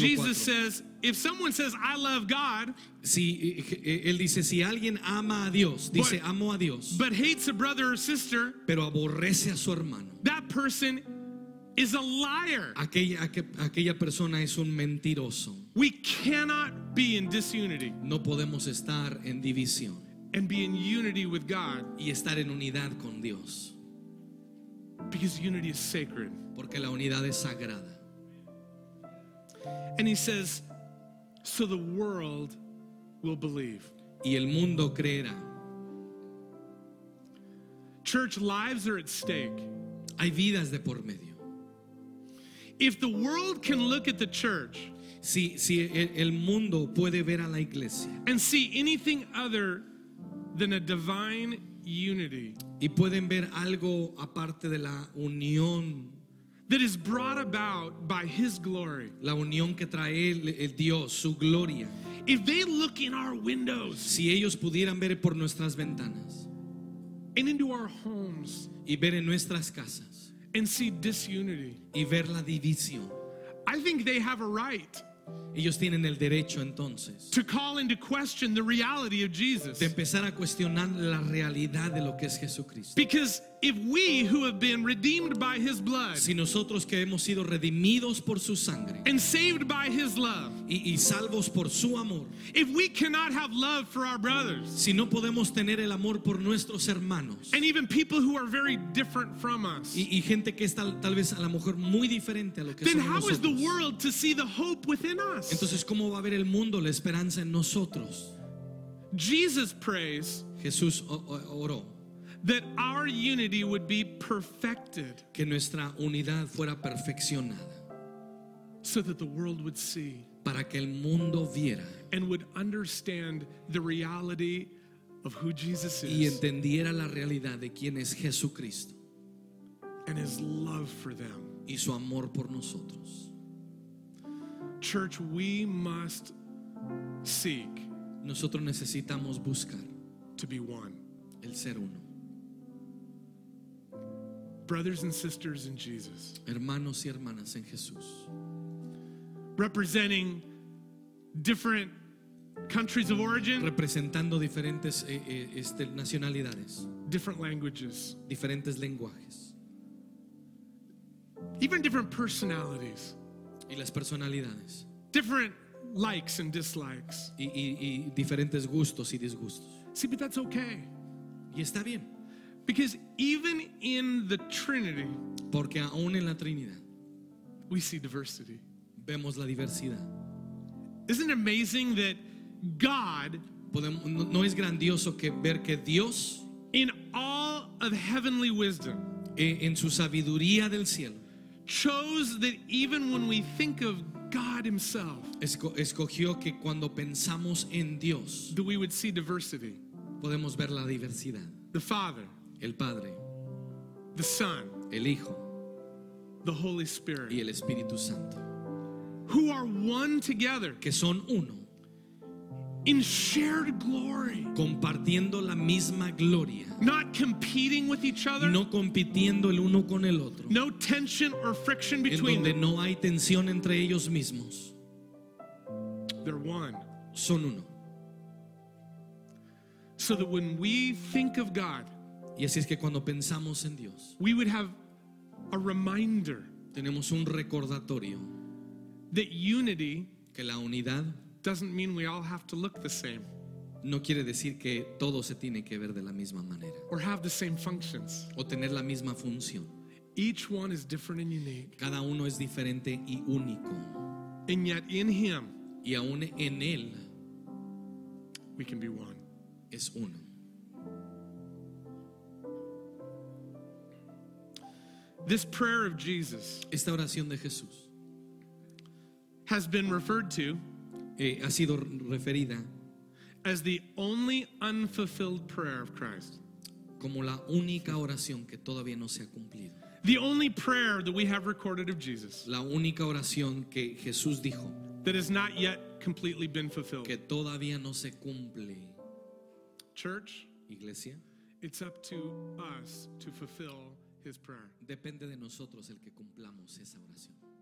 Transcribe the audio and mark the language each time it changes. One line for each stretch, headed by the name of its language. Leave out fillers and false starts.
English: Jesus 4, says, if someone says I love God,
Spanish: si él dice si alguien ama a Dios, dice amo a Dios,
English: but hates a brother or sister,
Spanish: pero aborrece a su hermano,
English: that person is a liar.
Spanish: Aquella persona es un mentiroso.
English: We cannot be in disunity.
Spanish: No podemos estar en división.
English: And be in unity with God.
Spanish: Y estar en unidad con Dios.
English: Because unity is sacred.
Spanish: Porque la unidad es sagrada.
English: And he says, so the world will believe.
Spanish: Y el mundo creerá.
English: Church lives are at stake.
Spanish: Hay vidas de por medio.
English: If the world can look at the church,
Spanish: si el mundo puede ver a la iglesia,
English: and see anything other than a divine unity,
Spanish: y pueden ver algo aparte de la unión,
English: that is brought about by his glory,
Spanish: la unión que trae el Dios, su gloria,
English: if they look in our windows,
Spanish: si ellos pudieran ver por nuestras ventanas,
English: and into our homes,
Spanish: y ver en nuestras casas,
English: and see disunity,
Spanish: y ver la división,
English: I think they have a right.
Spanish: Ellos tienen el derecho entonces
English: to call into question the reality of Jesus.
Spanish: De empezar a cuestionar la realidad de lo que es Jesucristo.
English: Because if we who have been redeemed by his blood,
Spanish: si nosotros que hemos sido redimidos por su sangre,
English: and saved by his love,
Spanish: y salvos por su amor,
English: if we cannot have love for our brothers,
Spanish: si no podemos tener el amor por nuestros hermanos,
English: and even people who are very different from us,
Spanish: y gente que está tal vez a lo mejor muy diferente a lo que somos nosotros,
English: then how is the world to see the hope within us?
Spanish: Entonces, ¿cómo va a ver el mundo la esperanza en nosotros?
English: Jesus prays.
Spanish: Jesús oró.
English: That our unity would be perfected.
Spanish: Que nuestra unidad fuera perfeccionada.
English: So that the world would see.
Spanish: Para que el mundo viera.
English: And would understand the reality of who Jesus is.
Spanish: Y entendiera la realidad de quién es Jesucristo.
English: And his love for them.
Spanish: Y su amor por nosotros.
English: Church, we must seek.
Spanish: Nosotros necesitamos buscar.
English: To be one.
Spanish: El ser uno.
English: Brothers and sisters in Jesus.
Spanish: Hermanos y hermanas en Jesús.
English: Representing different countries of origin.
Spanish: Representando diferentes nacionalidades.
English: Different languages.
Spanish: Diferentes lenguajes.
English: Even different personalities.
Spanish: Y las personalidades.
English: Different likes and dislikes.
Spanish: Y diferentes gustos y disgustos.
English: See, but that's okay.
Spanish: Y está bien.
English: Because even in the Trinity,
Spanish: porque aún en la Trinidad,
English: we see diversity.
Spanish: Vemos la diversidad.
English: Isn't it amazing that God,
Spanish: no es grandioso que ver que Dios,
English: in all of heavenly wisdom,
Spanish: en su sabiduría del cielo,
English: chose that even when we think of God himself,
Spanish: escogió que cuando pensamos en Dios,
English: that we would see diversity.
Spanish: Podemos ver la diversidad.
English: The Father,
Spanish: el Padre,
English: the Son,
Spanish: el Hijo,
English: the Holy Spirit,
Spanish: y el Espíritu Santo,
English: who are one together,
Spanish: que son uno,
English: in shared glory,
Spanish: compartiendo la misma gloria,
English: not competing with each other,
Spanish: no compitiendo el uno con el otro,
English: no tension or friction between,
Spanish: en donde
English: them.
Spanish: No hay tensión entre ellos mismos.
English: They're one.
Spanish: Son uno.
English: So that when we think of God,
Spanish: y así es que cuando pensamos en Dios,
English: we would have a reminder,
Spanish: tenemos un recordatorio,
English: that unity,
Spanish: que la unidad,
English: doesn't mean we all have to look the same.
Spanish: No quiere decir que todo se tiene que ver de la misma manera.
English: Or have the same functions.
Spanish: O tener la misma función.
English: Each one is different and unique.
Spanish: Cada uno es diferente y único.
English: And yet in him,
Spanish: y aún en él,
English: we can be one.
Spanish: Es uno.
English: This prayer of Jesus,
Spanish: esta oración de Jesús,
English: has been referred to,
Spanish: ha sido referida,
English: as the only unfulfilled prayer of Christ,
Spanish: como la única oración que todavía no se ha cumplido.
English: The only prayer that we have recorded of Jesus,
Spanish: la única oración que Jesús dijo,
English: that has not yet completely been fulfilled,
Spanish: que todavía no se cumple.
English: Church,
Spanish: iglesia,
English: it's up to us to fulfill his prayer.
Spanish: Depende de nosotros el que cumplamos esa oración.